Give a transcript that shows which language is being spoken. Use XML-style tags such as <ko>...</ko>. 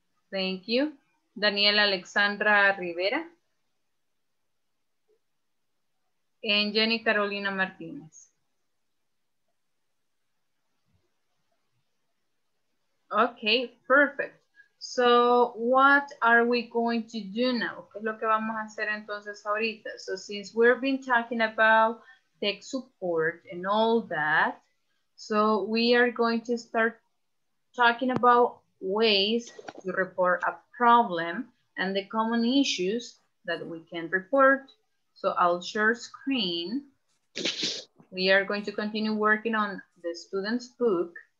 <en>Thank you. Daniela Alexandra Rivera. And Jenny Carolina Martinez. Okay, perfect. So what are we going to do now?</en> <es>¿Qué es lo que vamos a hacer entonces ahorita?</es> <en>So since we've been talking about tech support and all that, so we are going to start talking about ways to report a problem and the common issues that we can report. So I'll share screen. We are going to continue working on the student's book.</en>